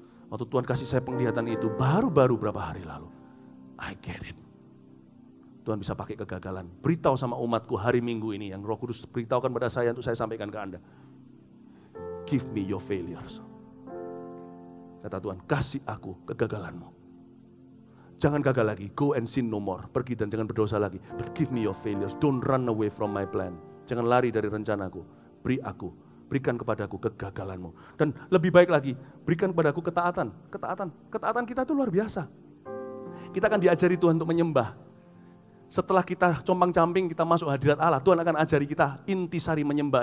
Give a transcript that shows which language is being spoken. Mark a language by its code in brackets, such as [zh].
[id] Waktu Tuhan kasih saya penglihatan itu baru-baru berapa hari lalu. [en] I get it. [id] Tuhan bisa pakai kegagalan. Beritahu sama umatku hari Minggu ini yang Roh Kudus beritahukan pada saya untuk saya sampaikan ke Anda. [en] Give me your failures. [id] Kata Tuhan, kasih aku kegagalanmu. Jangan gagal lagi, [en] go and sin no more. [id] Pergi dan jangan berdosa lagi. [en] But give me your failures, don't run away from my plan. [id] Jangan lari dari rencanaku. Beri aku, berikan kepadaku kegagalanmu. Dan lebih baik lagi, berikan kepadaku ketaatan. Ketaatan kita itu luar biasa. Kita akan diajari Tuhan untuk menyembah. setelah kita compang-camping, kita masuk hadirat Allah, Tuhan akan ajari kita intisari menyembah.